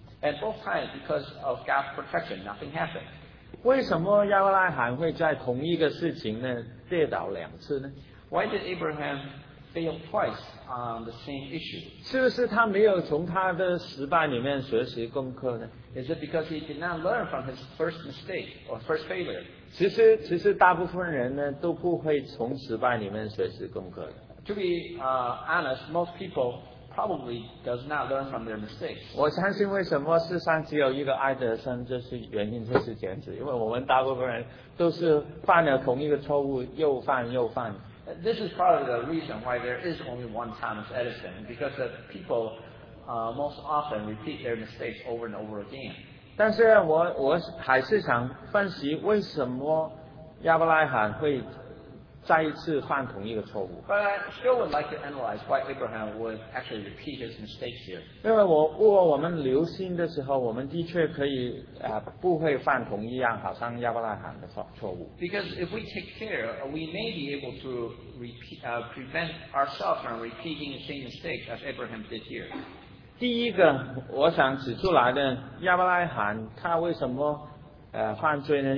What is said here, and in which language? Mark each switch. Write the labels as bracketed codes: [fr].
[en] And both times, because of God's protection, nothing happened. [zh] 为什么亚伯拉罕会在同一个事情呢跌倒两次呢？ [en] Why did Abraham failed twice on the same issue. [zh] 是不是他没有从他的失败里面学习功课呢？ [en] Is it because he did not learn from his first mistake or first failure? [zh] 其实大部分人呢都不会从失败里面学习功课的。 [en] To be honest, most people probably does not learn from their mistakes. [zh] 我相信为什么世上只有一个爱德生，就是原因就是简直，因为我们大部分人都是犯了同一个错误，又犯又犯。 [en] This is probably the reason why there is only one Thomas Edison, because the people most often repeat their mistakes over and over again. [zh] 但是我还是想分析为什么亚伯拉罕会再一次犯同一个错误。 [en] But I still would like to analyze why Abraham would actually repeat his mistakes here. [zh] 因为如果我们留心的时候，我们的确可以不会犯同一样好像亚伯拉罕的错误。 [en] Because if we take care, we may be able to prevent ourselves from repeating the same mistakes as Abraham did here. [zh] 第一个我想指出来的，亚伯拉罕他为什么犯罪呢？